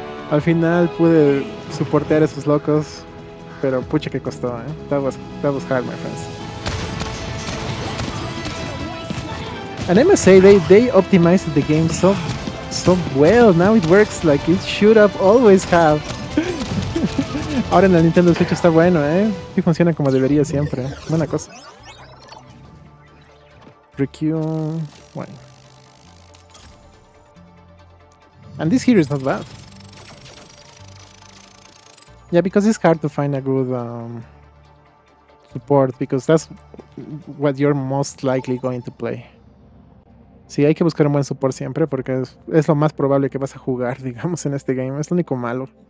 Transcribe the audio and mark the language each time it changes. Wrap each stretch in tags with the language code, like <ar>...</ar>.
<es>Al final pude soportar a esos locos. Pero pucha que costó, eh.</es> <en>That was hard, my friends. And I must say, they optimized the game so well. Now it works like it should have always have.</en> <es>Ahora en la Nintendo Switch está bueno, eh. Sí funciona como debería siempre. Buena cosa. Recue. Bueno.</es> <en>And this here is not bad. Yeah, because it's hard to find a good support, because that's what you're most likely going to play.</en> <es>Sí, hay que buscar un buen support siempre, porque es lo más probable que vas a jugar, digamos, en este game. Es lo único malo.</es>